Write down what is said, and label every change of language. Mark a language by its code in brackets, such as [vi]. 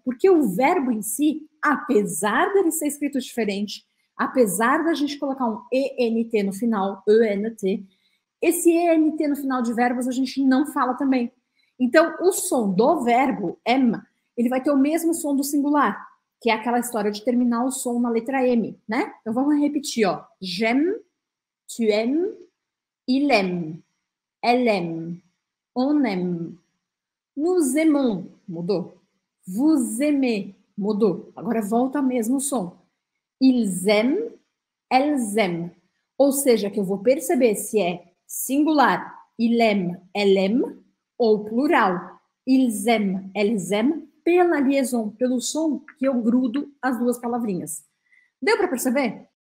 [pt] Porque o verbo em si, apesar dele ser escrito diferente, apesar da gente colocar um ENT no final, ENT, esse ENT no final de verbos a gente não fala também. Então, o som do verbo, M, ele vai ter o mesmo som do singular, que é aquela história de terminar o som na letra M, né? Então, vamos repetir, ó. [fr] J'aime, tu aimes, il aime, elle aime, on aime. Nous aimons, [pt] mudou. [fr] Vous aimez, mudou. [pt] Agora volta mesmo o som. [fr] Ils aiment, elles aiment. [pt] Ou seja, que eu vou perceber se é singular, [fr] il aime, elle aime, [pt] ou plural, [fr] ils aiment, elles aiment, [pt] pela liaison, pelo som que eu grudo as duas palavrinhas. Deu para perceber?